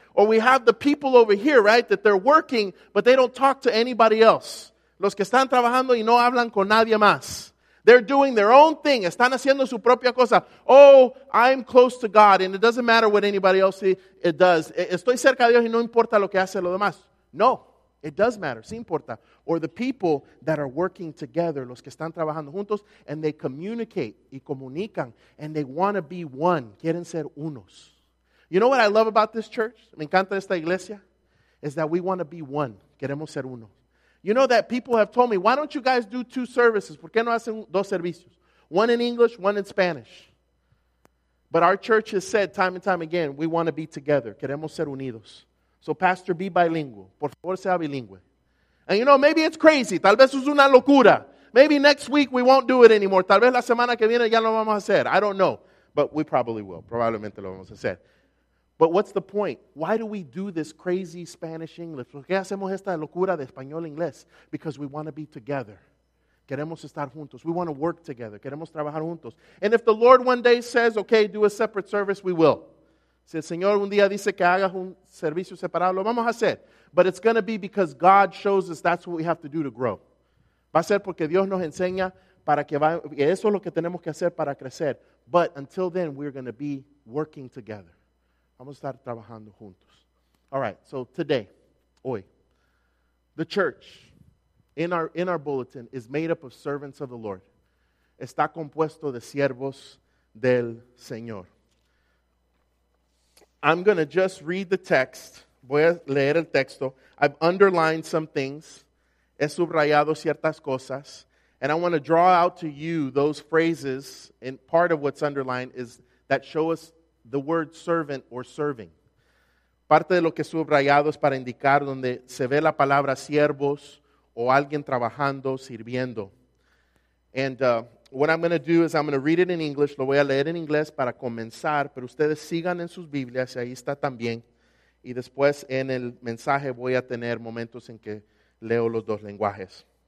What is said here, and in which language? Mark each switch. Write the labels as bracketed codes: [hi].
[en] Or we have the people over here, right, that they're working, but they don't talk to anybody else. [es] Los que están trabajando y no hablan con nadie más. [en] They're doing their own thing. [es] Están haciendo su propia cosa. [en] Oh, I'm close to God, and it doesn't matter what anybody else does. [es] Estoy cerca de Dios y no importa lo que hace lo demás. [en] No, it does matter. [es] Sí importa. [en] Or the people that are working together, [es] los que están trabajando juntos, [en] and they communicate [es] y comunican, [en] and they want to be one. [es] Quieren ser unos. [en] You know what I love about this church? [es] Me encanta esta iglesia. [en] Is that we want to be one. [es] Queremos ser uno. [en] You know that people have told me, why don't you guys do two services? [es] ¿Por qué no hacen dos servicios? [en] One in English, one in Spanish. But our church has said time and time again, we want to be together. [es] Queremos ser unidos. [en] So pastor, be bilingual. [es] Por favor, sea bilingüe. [en] And you know, maybe it's crazy. [es] Tal vez es una locura. [en] Maybe next week we won't do it anymore. [es] Tal vez la semana que viene ya no vamos a hacer. [en] I don't know. But we probably will. [es] Probablemente lo vamos a hacer. [en] But what's the point? Why do we do this crazy Spanish-English? [es] ¿Por qué hacemos esta locura de español-inglés? [en] Because we want to be together. [es] Queremos estar juntos. [en] We want to work together. [es] Queremos trabajar juntos. [en] And if the Lord one day says, okay, do a separate service, we will. [es] Si el Señor un día dice que haga un servicio separado, lo vamos a hacer. [en] But it's going to be because God shows us that's what we have to do to grow. [es] Va a ser porque Dios nos enseña para que vaya, eso es lo que tenemos que hacer para crecer. [en] But until then, we're going to be working together. [es] Vamos a estar trabajando juntos. [en] All right, so today, hoy, the church in our bulletin is made up of servants of the Lord. [es] Está compuesto de siervos del Señor. [en] I'm going to just read the text. [es] Voy a leer el texto. [en] I've underlined some things. [es] He subrayado ciertas cosas. [en] And I want to draw out to you those phrases, and part of what's underlined is that show us the word servant or serving. [es] Parte de lo que subrayado es para indicar donde se ve la palabra siervos o alguien trabajando, sirviendo. [en] And what I'm going to do is I'm going to read it in English. [es] Lo voy a leer en inglés para comenzar, pero ustedes sigan en sus Biblias y ahí está también. Y después en el mensaje voy a tener momentos en que leo los dos lenguajes.